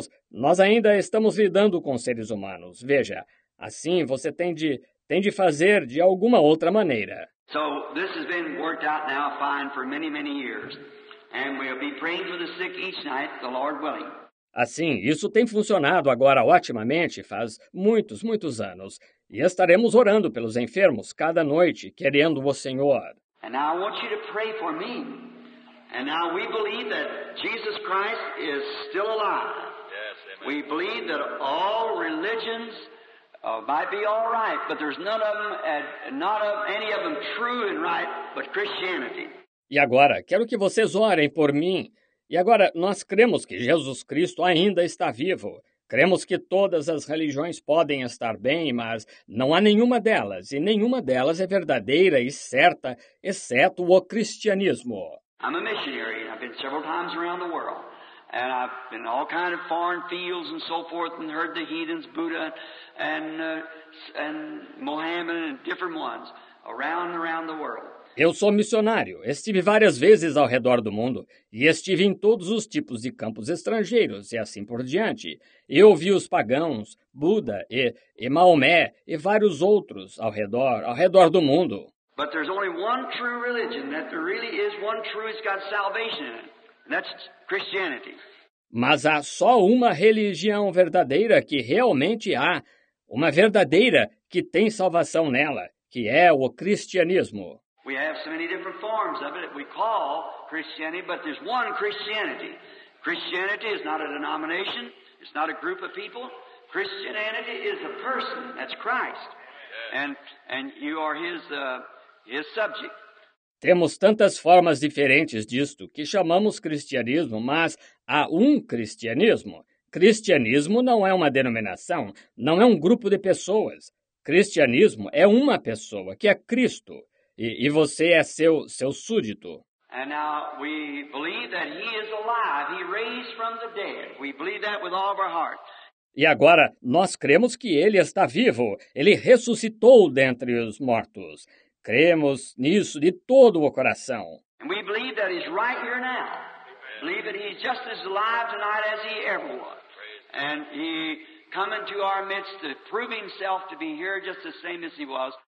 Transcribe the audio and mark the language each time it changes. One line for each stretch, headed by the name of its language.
Portuguese: Nós ainda estamos lidando com seres humanos. Veja, assim você tem de fazer de alguma outra maneira.
English: So this has been worked out now fine for many, many years. And we'll be praying for the sick each night, the Lord willing.
Portuguese: Assim, isso tem funcionado agora otimamente faz muitos, muitos anos. E estaremos orando pelos enfermos cada noite, querendo o Senhor.
English: And now I want you to pray for me. And now we believe that Jesus Christ is still alive. Yes, amen. We believe that all religions might be all right, but there's none of them, not of any of them true and right, but Christianity.
Portuguese: E agora, quero que vocês orem por mim. E agora, nós cremos que Jesus Cristo ainda está vivo. Cremos que todas as religiões podem estar bem, mas não há nenhuma delas, e nenhuma delas é verdadeira e certa, exceto o cristianismo.
English: I'm a missionary, and I've been several times around the world, and I've been all kind of foreign fields and so forth, and heard the heathens, Buddha, and Mohammed, and different ones, around the world.
Portuguese: Eu sou missionário, estive várias vezes ao redor do mundo e estive em todos os tipos de campos estrangeiros e assim por diante. Eu vi os pagãos, Buda e Maomé e vários outros ao redor do mundo.
English: But there's only one true religion, that there really is one true, it's got salvation in it, and that's Christianity.
Portuguese: Mas há só uma religião verdadeira que realmente há, uma verdadeira que tem salvação nela, que é o cristianismo.
English: We have so many different forms of it that we call Christianity, but there's one Christianity. Christianity is not a denomination. It's not a group of people. Christianity is a person. That's Christ. And you are his subject.
Portuguese: Temos tantas formas diferentes disto que chamamos cristianismo, mas há um cristianismo. Cristianismo não é uma denominação, não é um grupo de pessoas. Cristianismo é uma pessoa, que é Cristo. E você é seu súdito.
English: And now we believe that he is alive. He raised from the dead. We believe that with all of our heart.
Portuguese: E agora nós cremos que ele está vivo. Ele ressuscitou dentre os mortos. Cremos nisso de todo o coração.
English: And we believe that he's right here now. Amen. Believe that he is just as alive tonight as he ever was. Praise and he come into our midst to prove himself to be here just the same as he was.